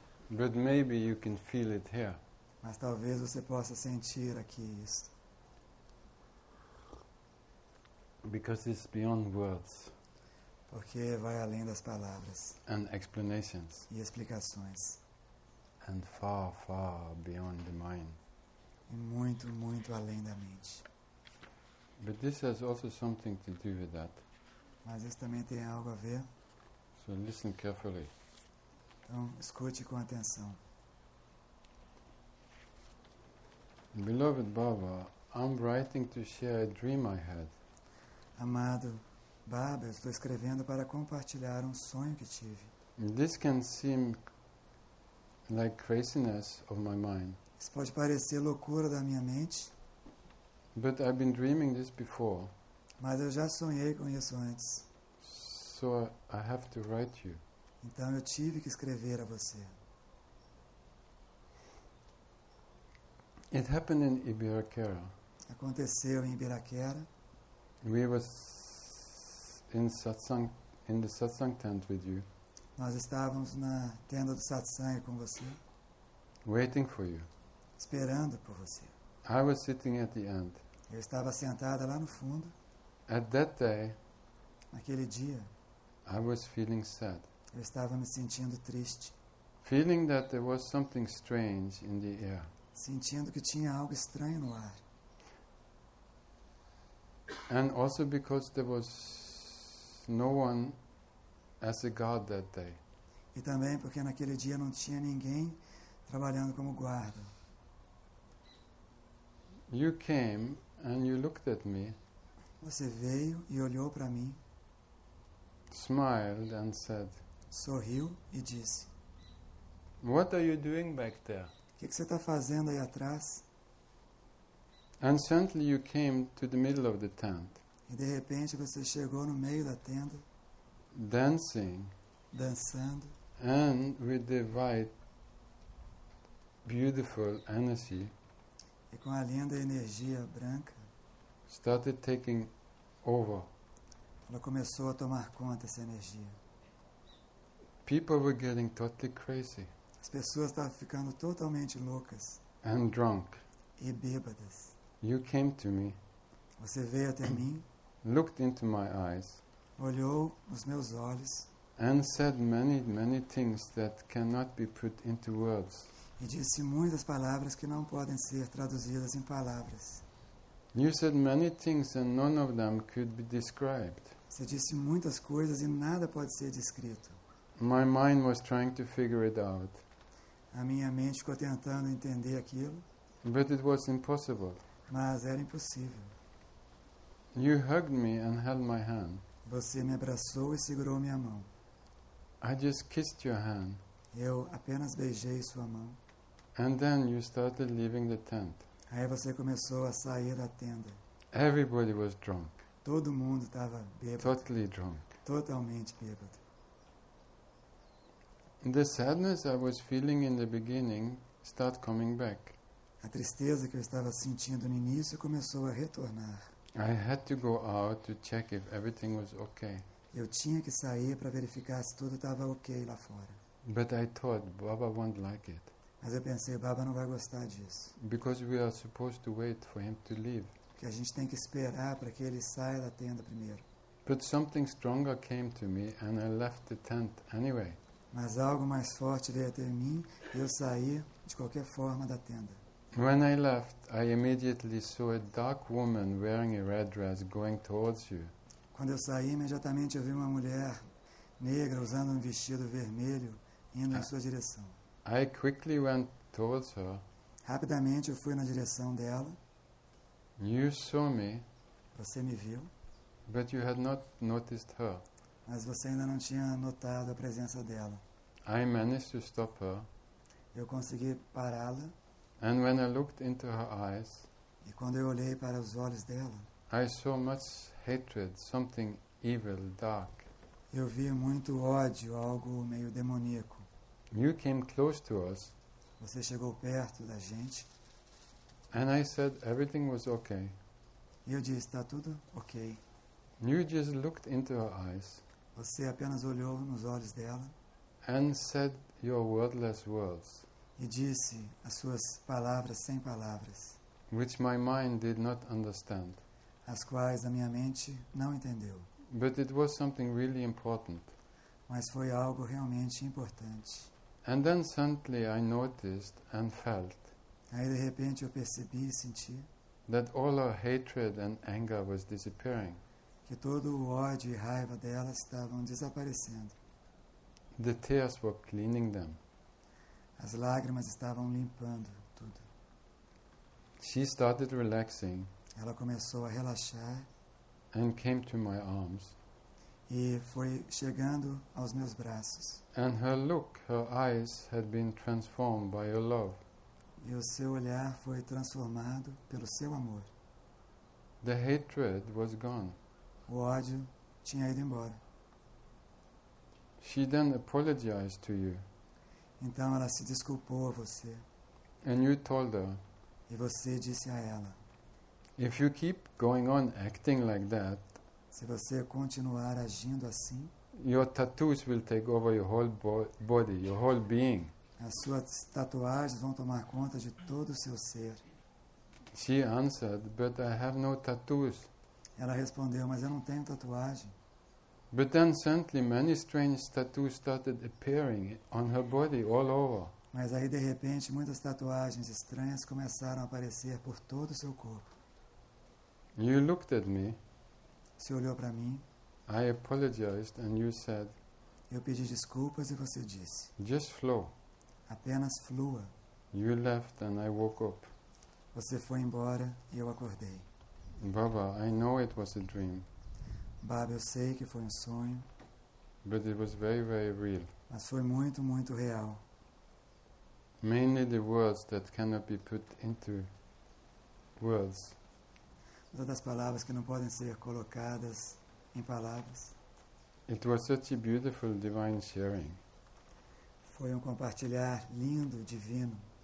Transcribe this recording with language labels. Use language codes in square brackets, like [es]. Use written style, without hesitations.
[en] But maybe you can feel it here. [pt] Mas talvez você possa sentir aqui isso. [en] Because it's beyond words. [pt] Porque vai além das palavras. [en] And explanations. [pt] E explicações. [en] And far, far beyond the mind. [pt] e muito, muito além da mente. [en] But this has also something to do with that. [pt] Mas isso também tem algo a ver. [en] So listen carefully. [pt] Então, escute com atenção. [en] Beloved Baba, I'm writing to share a dream I had. [pt] Amado Baba, estou escrevendo para compartilhar um sonho que tive. [en] This can seem like craziness of my mind. [pt] Isso pode parecer loucura da minha mente. [en] But I've been dreaming this before. [pt] Mas eu já sonhei com isso antes. [en] So I have to write you. [pt] Então eu tive que escrever a você. [en] It happened in Ibirakera. [pt] Aconteceu em Ibirakera. [en] We was in satsang, in the satsang tent with you. [pt] Nós estávamos na tenda do satsang com você. [en] Waiting for you. [pt] Esperando por você. [en] I was sitting at the end. [pt] Eu estava sentada lá no fundo. [en] At that day, [pt] naquele dia, [en] I was feeling sad. [pt] Eu estava me sentindo triste. [en] Feeling that there was something strange in the air. [pt] Sentindo que tinha algo estranho no ar. [en] And also because there was no one as a guard that day. [pt] E também porque naquele dia não tinha ninguém trabalhando como guarda. [en] You came and you looked at me. [pt] Você veio e olhou para mim. [en] Smiled and said. [pt] Sorriu e disse. [en] What are you doing back there? [pt] O que você está fazendo aí atrás? [en] And suddenly you came to the middle of the tent. [pt] E de repente você chegou no meio da tenda. [en] Dancing. [pt] Dançando. [en] And with the white, beautiful energy. [pt] E com a linda energia branca. [en] Started taking over. [pt] Ela começou a tomar conta dessa energia. [en] People were getting totally crazy. [pt] As pessoas estavam ficando totalmente loucas. [en] And drunk. [pt] E bêbadas. [en] You came to me. [pt] Você veio até mim. [en] Looked into my eyes. [pt] Olhou nos meus olhos. [en] And said many, many things that cannot be put into words. [pt] E disse muitas palavras que não podem ser traduzidas em palavras. [en] You said many things and none of them could be described. [pt] Você disse muitas coisas e nada pode ser descrito. [en] My mind was trying to figure it out. [pt] A minha mente ficou tentando entender aquilo. [en] But it was impossible. [pt] Mas era impossível. [en] You hugged me and held my hand. [pt] Você me abraçou e segurou minha mão. [en] I just kissed your hand. [pt] Eu apenas beijei sua mão. [en] And then you started leaving the tent. [pt] Aí você começou a sair da tenda. [en] Everybody was drunk. [pt] Todo mundo estava bêbado. [en] Totally drunk. [pt] Totalmente bêbado. [en] The sadness I was feeling in the beginning started coming back. [pt] A tristeza que eu estava sentindo no início começou a retornar. [en] I had to go out to check if everything was okay. [pt] Eu tinha que sair para verificar se tudo estava ok lá fora. [en] But I thought Baba won't like it. [pt] Mas eu pensei, Baba não vai gostar disso. [en] Because we are supposed to wait for him to leave. [pt] Que a gente tem que esperar para que ele saia da tenda primeiro. [en] But something stronger came to me and I left the tent anyway. [pt] Mas algo mais forte veio até mim e eu saí de qualquer forma da tenda. [en] When I left, I immediately saw a dark woman wearing a red dress going towards you. [pt] Quando eu saí, imediatamente eu vi uma mulher negra usando um vestido vermelho indo em sua direção. [en] I quickly went towards her. [pt] Rapidamente eu fui na direção dela. [en] You saw me. [pt] Você me viu. [en] But you had not noticed her. [pt] Mas você ainda não tinha notado a presença dela. [en] I managed to stop her. [pt] Eu consegui pará-la. [en] And when I looked into her eyes. [pt] E quando eu olhei para os olhos dela. [en] I saw much hatred, something evil, dark. [pt] Eu vi muito ódio, algo meio demoníaco. [en] You came close to us. [pt] Você chegou perto da gente. [en] And I said everything was okay. [pt] E eu disse, está tudo ok. [en] You just looked into her eyes. [pt] Você apenas olhou nos olhos dela. [en] And said your wordless words. [pt] E disse as suas palavras sem palavras. [en] Which my mind did not understand. [pt] As quais a minha mente não entendeu. [en] But it was something really important. [pt] Mas foi algo realmente importante. [en] And then suddenly I noticed and felt. [pt] Aí de repente eu percebi e senti [en] that all her hatred and anger was disappearing. [pt] Que todo o ódio e raiva dela estavam desaparecendo. [en] The tears were cleaning them. [pt] As lágrimas estavam limpando tudo. [en] She started relaxing. [pt] Ela começou a relaxar. [en] And came to my arms. [pt] E foi chegando aos meus braços. [en] And her look, her eyes had been transformed by your love. [pt] E o seu olhar foi transformado pelo seu amor. [en] The hatred was gone. [pt] O ódio tinha ido embora. [en] She then apologized to you. [pt] Então ela se desculpou a você. [en] And you told her. [pt] E você disse a ela. [en] If you keep going on acting like that, [pt] se você continuar agindo assim, [en] your tattoos will take over your whole body, your whole being. [pt] As suas tatuagens vão tomar conta de todo o seu ser. [en] She answered, but I have no tattoos. [pt] Ela respondeu, mas eu não tenho tatuagem. [en] But then suddenly many strange tattoos started appearing on her body all over. [pt] Mas aí de repente muitas tatuagens estranhas começaram a aparecer por todo o seu corpo. [en] You looked at me. [pt] Você olhou para mim. [en] I apologized and you said. [pt] Eu pedi desculpas e você disse. [en] Just flow. [pt] Apenas flua. [en] You left and I woke up. [pt] Você foi embora e eu acordei. [en] Baba, I know it was a dream. [pt] Baba, eu sei que foi um sonho. [en] But it was very, very real. [pt] Mas foi muito, muito real. [en] Mainly the words that cannot be put into words. [pt] Todas as palavras que não podem ser colocadas em palavras. [en] It was such a beautiful divine sharing. [pt] Foi um compartilhar lindo, divino.